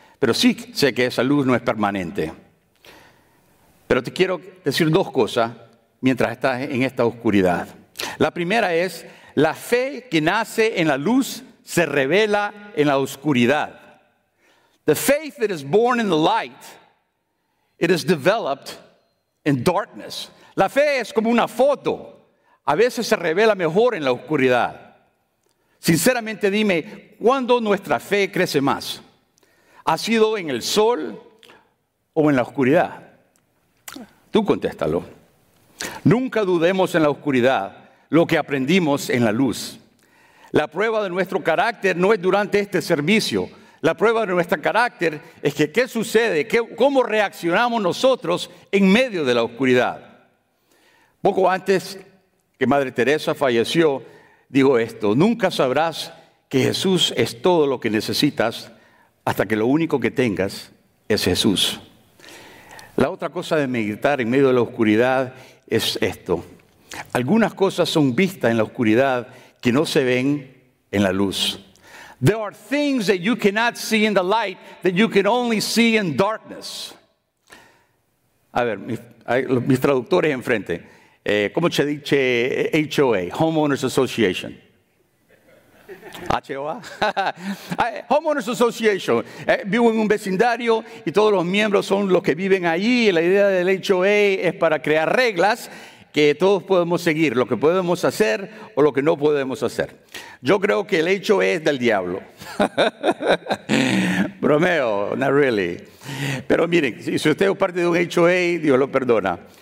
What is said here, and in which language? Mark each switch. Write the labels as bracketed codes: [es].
[es] Pero sí sé que esa luz no es permanente. Pero te quiero decir dos cosas mientras estás en esta oscuridad. La primera es, la fe que nace en la luz se revela en la oscuridad. [en] The faith that is born in the light, it is developed in darkness. [es] La fe es como una foto. A veces se revela mejor en la oscuridad. Sinceramente, dime, ¿cuándo nuestra fe crece más? ¿Ha sido en el sol o en la oscuridad? Tú contéstalo. Nunca dudemos en la oscuridad lo que aprendimos en la luz. La prueba de nuestro carácter no es durante este servicio. La prueba de nuestro carácter es que ¿qué sucede? ¿Cómo reaccionamos nosotros en medio de la oscuridad? Poco antes que Madre Teresa falleció, dijo esto: nunca sabrás que Jesús es todo lo que necesitas hasta que lo único que tengas es Jesús. La otra cosa de meditar en medio de la oscuridad es esto. Algunas cosas son vistas en la oscuridad que no se ven en la luz. [en] There are things that you cannot see in the light that you can only see in darkness. [es] A ver, mis traductores enfrente. ¿Cómo se dice HOA? [en] Homeowners Association. ¿HOA? Homeowners Association. [es] Vivo en un vecindario y todos los miembros son los que viven ahí. La idea del HOA es para crear reglas que todos podemos seguir, lo que podemos hacer o lo que no podemos hacer. Yo creo que el hecho es del diablo. Bromeo, [en] not really. [es] Pero miren, si usted es parte de un HOA, Dios lo perdona.